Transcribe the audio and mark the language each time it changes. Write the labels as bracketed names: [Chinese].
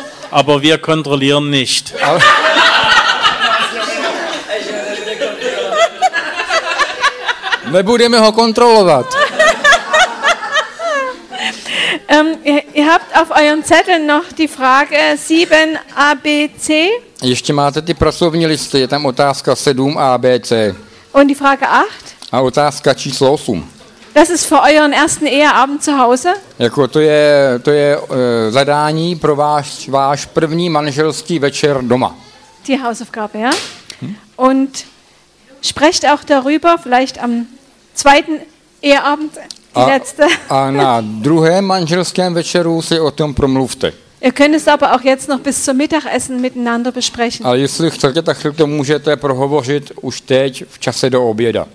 [German] Aber wir kontrollieren nicht. [Czech] My budeme ho kontrolovat. [German] Ihr habt auf euren Zettel noch die Frage 7ABC. [Czech] Ještě máte ty pracovní listy, je tam otázka 7ABC. [German] Und die Frage 8? [Czech] A otázka číslo 8. [German] Das ist für euren ersten Eheabend zu Hause? [Czech] Jako to je zadání pro váš první manželský večer doma. [German] Die Hausaufgabe, ja? Und sprecht auch darüber vielleicht am zweiten Eheabend. [Czech] A na druhém manželském večeru si o tom promluvte. [German] Ihr könnt es aber auch jetzt noch bis zum Mittagessen miteinander besprechen. [Czech] Ale jestli chcete, tak to můžete prohovořit už teď v čase do oběda.